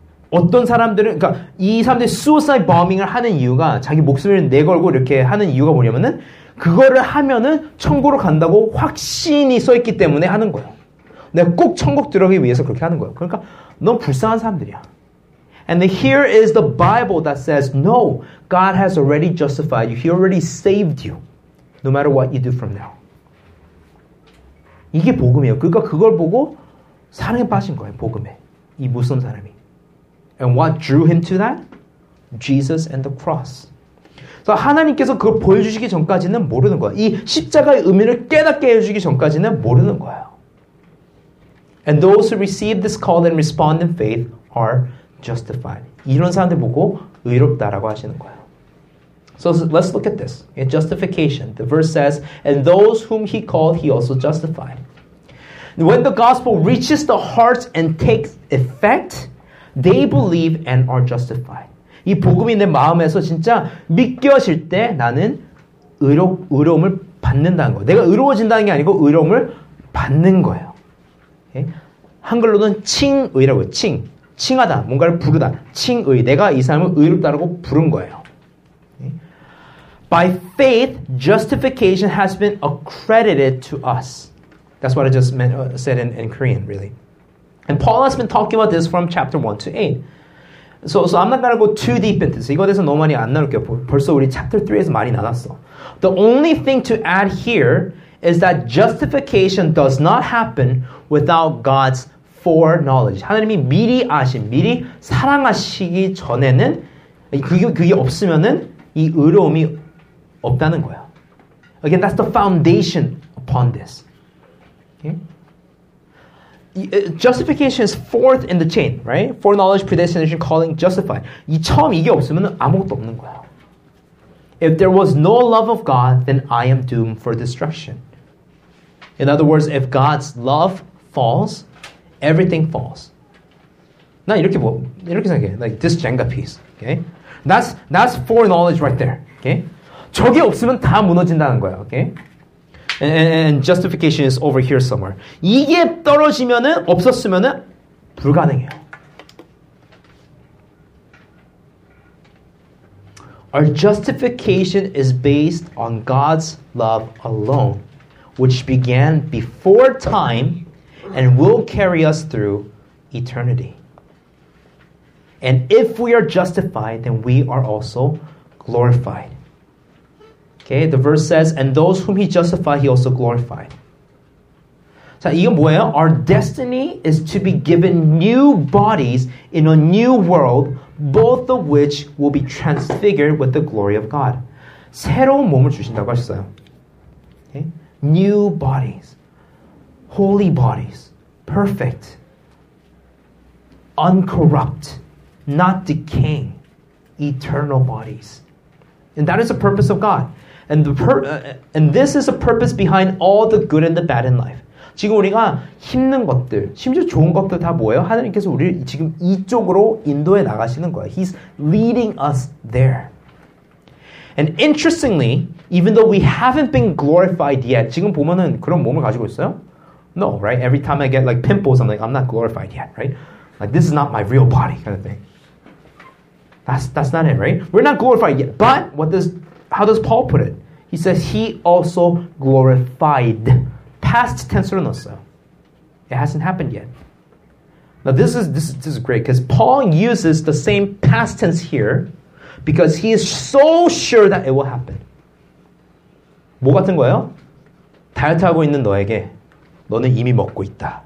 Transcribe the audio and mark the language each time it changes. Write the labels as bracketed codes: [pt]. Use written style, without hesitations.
[ko] 어떤 사람들은, 그러니까 이 사람들이 suicide bombing을 하는 이유가 자기 목숨을 내걸고 이렇게 하는 이유가 뭐냐면은 그거를 하면은 천국으로 간다고 확신이 써 있기 때문에 하는 거야. 내가 꼭 천국 들어가기 위해서 그렇게 하는 거야. 그러니까 너무 불쌍한 사람들이야. [en] And here is the Bible that says, no, God has already justified you. He already saved you, no matter what you do from now. [ko] 이게 복음이에요. 그러니까 그걸 보고 사랑에 빠진 거예요, 복음에. 이 무슬림 사람이. [en] And what drew him to that? Jesus and the cross. [ko] 그래서 하나님께서 그걸 보여주시기 전까지는 모르는 거야. 이 십자가의 의미를 깨닫게 해주시기 전까지는 모르는 거야. [en] And those who receive this call and respond in faith are justified. [ko] 이런 사람들 보고 의롭다라고 하시는 거야. [en] So let's look at this. In justification, the verse says, And those whom he called, he also justified. When the gospel reaches the hearts and takes effect, they believe and are justified. [ko] 이 복음이 내 마음에서 진짜 믿겨질 때 나는 의로움을 받는다는 거예요. 내가 의로워진다는 게 아니고 의로움을 받는 거예요. 예? 한글로는 칭의라고 해요. 칭. 칭하다. 뭔가를 부르다. 칭의. 내가 이 사람을 의롭다라고 부른 거예요. [en] By faith, justification has been accredited to us. That's what I just meant, said in Korean, really. And Paul has been talking about this from chapter 1 to 8. So I'm not going to go too deep into this. [ko] 이거에 대해서 너무 많이 안 나눌게요. 벌써 우리 chapter 3에서 많이 나눴어. [en] The only thing to add here is that justification does not happen without God's foreknowledge. [ko] 하나님이 미리 아신, 미리 사랑하시기 전에는 그게 없으면은 이 의로움이 없다는 거야. [en] Again, that's the foundation upon this. Okay? Justification is fourth in the chain, right? Foreknowledge, predestination, calling, justified. [ko] 이 처음 이게 없으면 아무것도 없는 거야. [en] If there was no love of God, then I am doomed for destruction. In other words, if God's love falls, everything falls. [ko] 나 이렇게 뭐 이렇게 생각해. [en] Like this Jenga piece, okay? That's foreknowledge right there. Okay? [ko] 저게 없으면 다 무너진다는 거야. [en] Okay? And justification is over here somewhere. [ko] 이게 떨어지면은 없었으면은 불가능해요. [en] Our justification is based on God's love alone, which began before time and will carry us through eternity. And if we are justified, then we are also glorified. Okay, the verse says, And those whom he justified, he also glorified. [ko] 자, 이건 뭐예요? [en] Our destiny is to be given new bodies in a new world, both of which will be transfigured with the glory of God. [ko] 새로운 몸을 주신다고 하셨어요. [en] Okay? New bodies. Holy bodies. Perfect. Uncorrupt. Not decaying. Eternal bodies. And that is the purpose of God. And this is the purpose behind all the good and the bad in life. [ko] 지금 우리가 힘든 것들, 심지어 좋은 것들 다 뭐예요? 하나님께서 우리를 지금 이쪽으로 인도해 나가시는 거예요. [en] He's leading us there. And interestingly, even though we haven't been glorified yet, [ko] 지금 보면은 그런 몸을 가지고 있어요? [en] No, right? Every time I get like pimples, I'm like, I'm not glorified yet, right? Like, this is not my real body kind of thing. That's not it, right? We're not glorified yet. But how does Paul put it? He says, he also glorified. Past tense로 [ko] 넣었어요. [en] It hasn't happened yet. Now, this is great because Paul uses the same past tense here because he is so sure that it will happen. [ko] 뭐 같은 거예요? 다이어트하고 있는 너에게 너는 이미 먹고 있다.